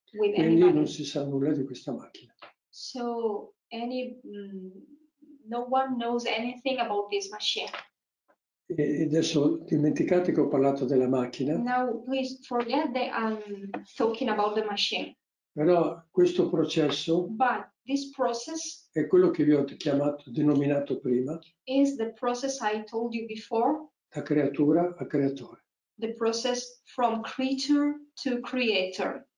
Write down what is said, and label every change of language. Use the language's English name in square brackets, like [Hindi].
[Italian] Quindi non si sa nulla di questa macchina. [English] So no one knows anything about this machine. [Italian] E adesso dimenticate che ho parlato della macchina. [English] Now please forget that I'm talking about the machine. [Italian] Però questo processo. [English] But this process. [Italian] È quello che vi ho denominato prima. [English] Is the process I told you before. [Italian] Da creatura a creatore. [English] The process from creature to creator.